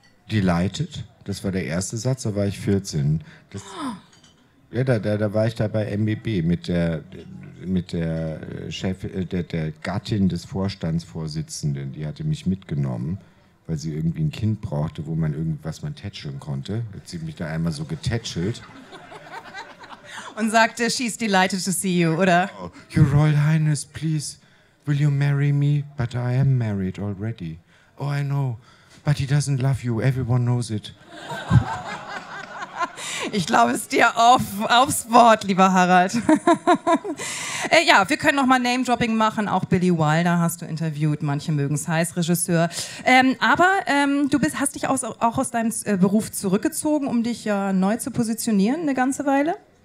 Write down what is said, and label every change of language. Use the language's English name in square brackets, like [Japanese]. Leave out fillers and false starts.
[German] Delighted, das war der erste Satz, da war ich 14. Da war ich da bei MBB mit der Gattin des Vorstandsvorsitzenden. Die hatte mich mitgenommen, weil sie irgendwie ein Kind brauchte, wo man irgendwas man tätscheln konnte. Hat sie mich da einmal so getätschelt. Und sagte, [English] she's delighted to see you, [German] oder? [English] Oh, Your Royal Highness, please, will you marry me? But I am married already. Oh, I know, but he doesn't love you, everyone knows it. [German] Ich glaube es dir aufs Wort, lieber Harald. Ja, wir können nochmal Name-Dropping machen. Auch Billy Wilder hast du interviewt. Manche mögen es heiß, Regisseur. Aber du hast dich auch aus deinem Beruf zurückgezogen, um dich ja neu zu positionieren eine ganze Weile?